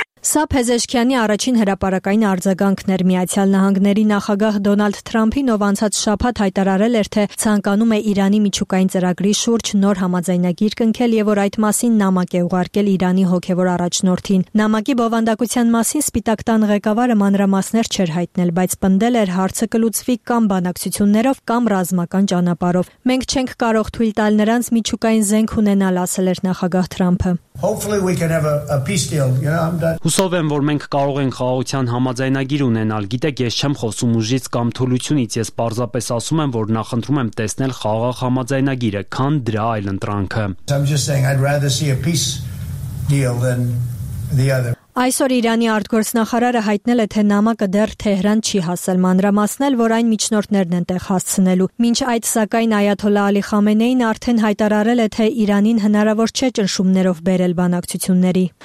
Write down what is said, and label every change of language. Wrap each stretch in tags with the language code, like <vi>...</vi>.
<hy>Սա Փեզեշկյանի առաջին հրապարակային արձագանքն էր Միացյալ Նահանգների նախագահ Դոնալդ Թրամփին, ով անցած շաբաթ հայտարարել էր, թե ցանկանում է Իրանի միջուկային ծրագրի շուրջ նոր համաձայնագիր կնքել և որ այդ մասին նամակ է ուղարկել Իրանի հոգևոր առաջնորդին։ Նամակի բովանդակության մասին Սպիտակ տան ղեկավարը մանրամասներ չէր հայտնել, բայց պնդել էր, հարցը կլուծվի կամ բանակցություններով, կամ ռազմական ճանապարհով։ «Մենք չենք կարող թույլ տալ նրանց միջուկային զենք ունենալ», ասել էր նախագահ Թրամփը։</hy> <en>Hopefully we can have a peace deal, you know,</en> <hy>Հուսով եմ, որ մենք կարող ենք խաղաղության համաձայնագիր ունենալ։ Գիտեք, ես չեմ խոսում ուժից կամ թուլությունից, ես պարզապես ասում եմ, որ նախընտրում եմ տեսնել խաղաղ համաձայնագիրը, քան դրա այլ ընտրանքը։ Այսօր Իրանի արտգործնախարարը հայտնել է, թե նամակը դեռ Թեհրան չի հասել մանրամասնել, որ այն միջնորդներն են տեղ հասցնելու։ Մինչ այդ, սակայն, Այաթոլլա Ալի Խամենեին արդեն հայտարարել է, թե Իրանին հնարավոր չէ ճնշումներով բերել բանակցությունների։</hy>